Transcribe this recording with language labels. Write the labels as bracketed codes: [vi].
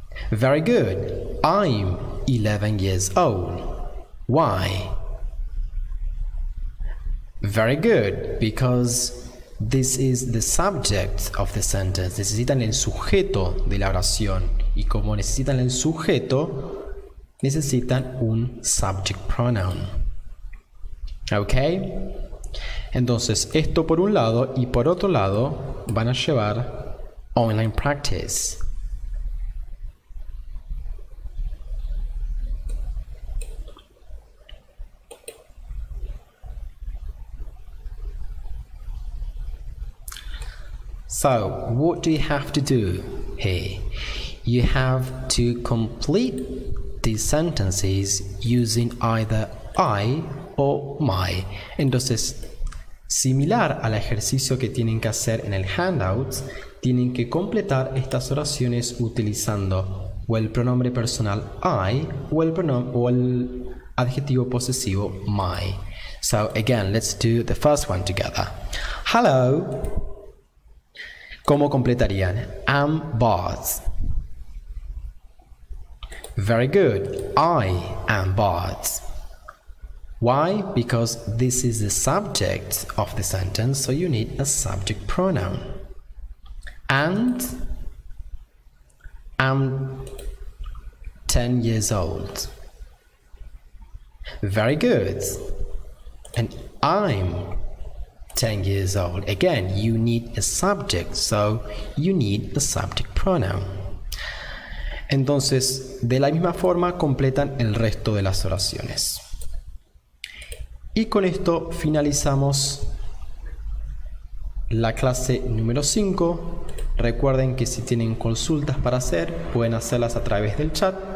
[en] Very good. I'm 11 years old. Why? Very good. Because this is the subject of the sentence. [es] Necesitan el sujeto de la oración. Y como necesitan el sujeto, necesitan un subject pronoun. Okay? Entonces, esto por un lado y por otro lado, van a llevar online practice. [en] So, what do you have to do here? You have to complete these sentences using either I or my. [es] Entonces, similar al ejercicio que tienen que hacer en el handout, tienen que completar estas oraciones utilizando o el pronombre personal I o el adjetivo posesivo my. [en] So, again, let's do the first one together. [es] Hello. ¿Cómo completarían? [en] I'm Bart. Very good. I am Bart. Why? Because this is the subject of the sentence, so you need a subject pronoun. And I'm 10 years old. Very good. And I'm 10 years old. Again, you need a subject, so you need a subject pronoun. [es] Entonces, de la misma forma, completan el resto de las oraciones. Y con esto finalizamos la clase número 5, Recuerden que si tienen consultas para hacer, pueden hacerlas a través del chat.